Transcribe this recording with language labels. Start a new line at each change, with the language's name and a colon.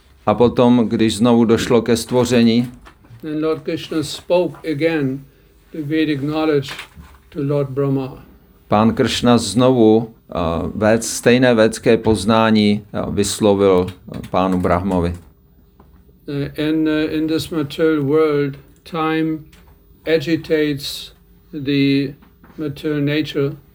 Czech: A potom, když znovu došlo ke stvoření,
English: then Lord Krishna spoke again the Vedic knowledge to Lord Brahma.
Czech: Pán Krishna znovu stejné védské poznání vyslovil pánu Brahmovi.
English: In this material world, time agitates the material nature.